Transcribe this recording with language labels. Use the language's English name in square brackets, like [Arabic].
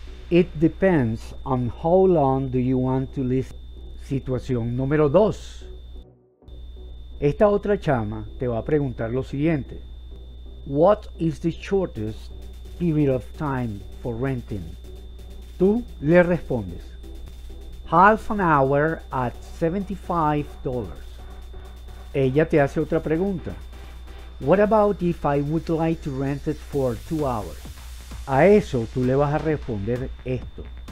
[English] "It depends on how long do you want to lease." [Spanish] Situación número 2. Esta otra chama te va a preguntar lo siguiente. [English] What is the shortest period of time for renting? [Spanish] Tú le respondes. [English] Half an hour at $75. [Spanish] Ella te hace otra pregunta. [English] What about if I would like to rent it for 2 hours? [Spanish] A eso tú le vas a responder esto.